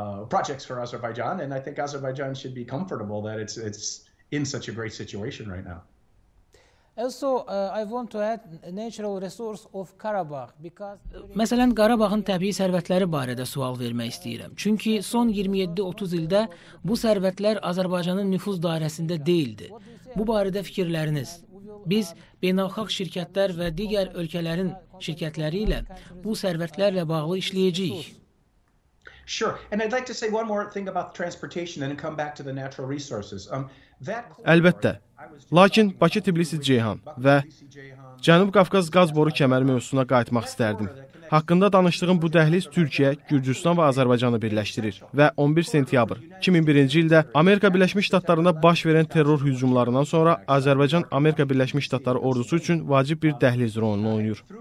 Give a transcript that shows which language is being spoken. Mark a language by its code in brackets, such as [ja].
[en] Projects for Azerbaijan and I think Azerbaijan should be comfortable that it's in such a great situation right now. Also, I want to add natural resource of Karabakh because [az] məsələn Qarabağın təbii sərvətləri barədə sual vermək istəyirəm. Çünki son 27-30 ildə bu sərvətlər Azərbaycanın nüfuz dairəsində deyildi. Bu barədə fikirləriniz? Biz beynəlxalq şirkətlər və digər ölkələrin şirkətləri ilə bu sərvətlərlə bağlı işləyəcəyik. [en] Sure. And I'd like to say one more thing about transportation and then come back to the natural resources. [az] Əlbəttə. Lakin Bakı-Tbilisi-Ceyhan və Cənubi Qafqaz qaz boru kəməri mövzusuna qayıtmaq istərdim. Haqqında danışdığım bu dəhliz Türkiyə, Gürcüstan və Azərbaycanı birləşdirir və 11 sentyabr 2001-ci ildə Amerika Birləşmiş Ştatlarında baş verən terror hücumlarından sonra Azərbaycan Amerika Birləşmiş Ştatları ordusu üçün vacib bir dəhliz rolunu oynayır.